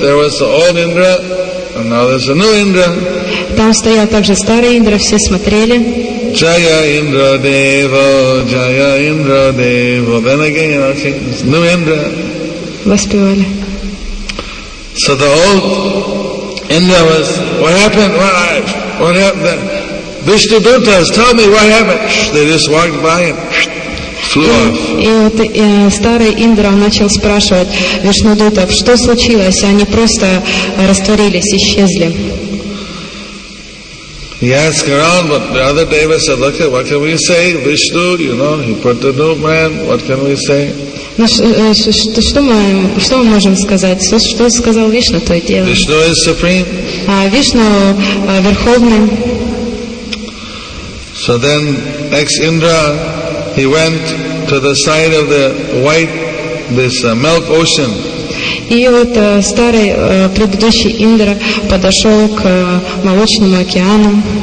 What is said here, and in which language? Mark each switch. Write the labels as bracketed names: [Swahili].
[English] There was the old Indra, and now there's a new Indra. [Russian] Там стоял также старый Индра, все смотрели. [Sanskrit] Jaya Indra Devo, Jaya Indra Devo. [English] Then again, okay, it's new Indra. [Russian] Воспевали. [English] So the old Indra was. What happened? What happened? Then? Vishnu Dutas, tell me what happened. They just walked by and flew off. [Russian] И старый Индра начал спрашивать Вишну Дутов, что случилось? Они просто растворились, исчезли. [English] He asked around, but the other Deva said, look, what can we say? Vishnu, you know, he put the new man, what can we say? [Russian] Что мы можем сказать? Что сказал Вишну, то и дело. [English] Vishnu is supreme. [Russian] Вишну верховный. [English] So then, ex-Indra, he went to the side of the white, this milk ocean. [Russian] И вот старый предыдущий Индра подошел к молочному океану.